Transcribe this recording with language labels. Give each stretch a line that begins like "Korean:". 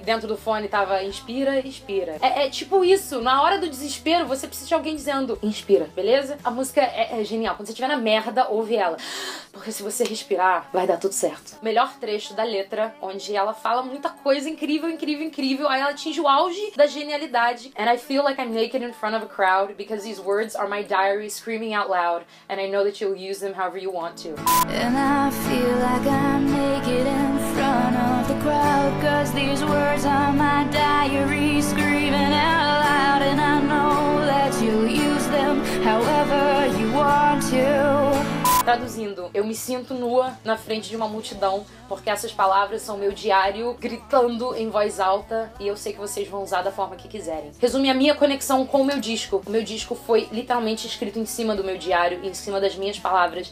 Portuguese: Dentro do fone tava: inspira, expira. É tipo isso, na hora do desespero você precisa de alguém dizendo: inspira, beleza? A música é genial, quando você estiver na merda, ouve ela. Porque se você respirar, vai dar tudo certo. Melhor trecho da letra, onde ela fala muita coisa incrível, incrível, incrível. Aí ela atinge o auge da genialidade.
English: And I feel like I'm naked in front of a crowd because these words are my diary screaming out loud. And I know that you'll use them however you want to. And I feel like I'm naked in front of the crowd cause these words are my diary screaming out loud. And I know that you'll use them however you want to.
Portuguese: Traduzindo, eu me sinto nua na frente de uma multidão porque essas palavras são meu diário gritando em voz alta e eu sei que vocês vão usar da forma que quiserem. Resume a minha conexão com o meu disco. O meu disco foi literalmente escrito em cima do meu diário, em cima das minhas palavras.